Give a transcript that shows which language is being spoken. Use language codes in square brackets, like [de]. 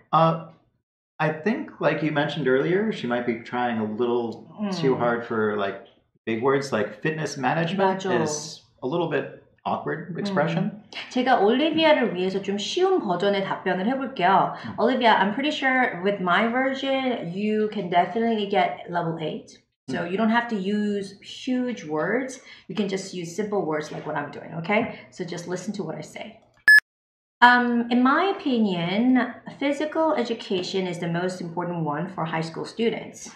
[en] I think, like you mentioned earlier, she might be trying a little too hard for like big words. Like fitness management [ko] 맞아. [en] Is a little bit awkward expression. [ko] 제가 올리비아를 위해서 좀 쉬운 버전의 답변을 해볼게요. [en] Olivia, I'm pretty sure with my version, you can definitely get level 8. So you don't have to use huge words. You can just use simple words like what I'm doing, okay? So just listen to what I say. In my opinion, physical education is the most important one for high school students.